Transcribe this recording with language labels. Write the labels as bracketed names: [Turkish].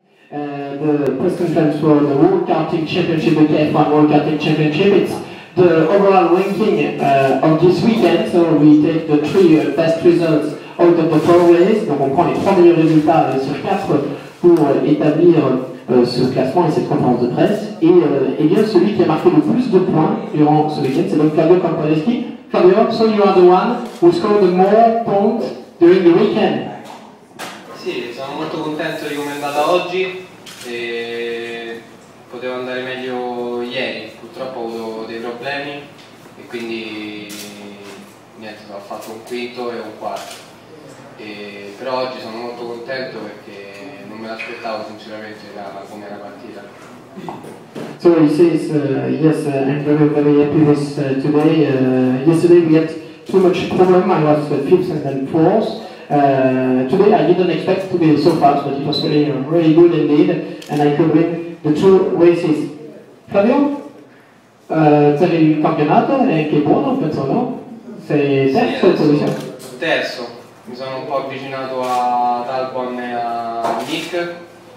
[English] the president stands for the World Karting Championship, the KF1 World Karting Championship. It's the overall ranking of this weekend, so we take the three best results out of the four ways. [French] Donc on prend les trois meilleurs résultats sur quatre pour établir ce classement et cette conférence de presse. Et bien celui qui a marqué le plus de points durant ce weekend, c'est donc Flavio Campaneschi. [English] Flavio, so you are the one who scored the more points during the weekend. [Italian] Sì, sono molto contento di come è andata oggi e potevo andare meglio ieri, purtroppo ho avuto dei problemi e quindi niente, ho fatto un quinto e un quarto. E, però oggi sono molto contento perché non me l'aspettavo sinceramente da come era partita. [English] So he says, yes, I'm very, very happy with today. Yesterday we had too much problem. I was fifth and then fourth. Today I didn't expect to be so fast, but it was really, really good indeed. And I could win the two races. [Italian] Flavio, per il campionato è anche buono, penso, no? Sei terzo in posizione? Terzo. Mi sono un po' avvicinato a Talbot e a Nick.